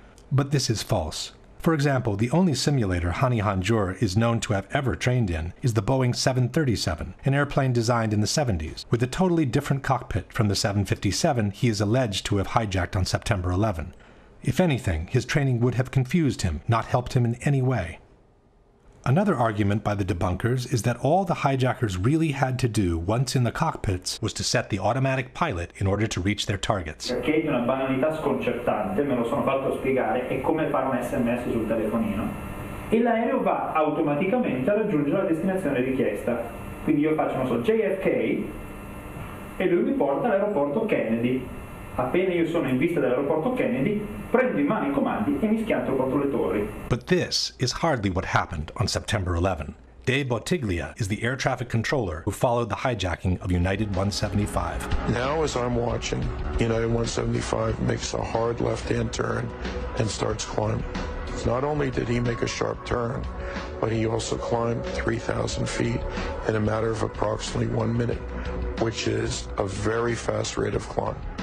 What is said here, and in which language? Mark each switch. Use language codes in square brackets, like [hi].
[en] But this is false. For example, the only simulator Hani Hanjour is known to have ever trained in is the Boeing 737, an airplane designed in the 70s, with a totally different cockpit from the 757 he is alleged to have hijacked on September 11. If anything, his training would have confused him, not helped him in any way. Another argument by the debunkers is that all the hijackers really had to do once in the cockpits was to set the automatic pilot in order to reach their targets. [it] Perché di una banalità sconcertante, me lo sono fatto spiegare, è come fare un SMS sul telefonino. E l'aereo va automaticamente a raggiungere la destinazione richiesta. Quindi io faccio, non so, JFK e lui mi porta all'aeroporto Kennedy. Appena io sono in vista dell'aeroporto Kennedy, prendo in mano i comandi e mi schianto contro le torri. [en] But this is hardly what happened on September 11. Dave Bottiglia is the air traffic controller who followed the hijacking of United 175. Now, as I'm watching, United 175 makes a hard left-hand turn and starts climbing. Not only did he make a sharp turn, but he also climbed 3,000 feet in a matter of approximately 1 minute, which is a very fast rate of climb.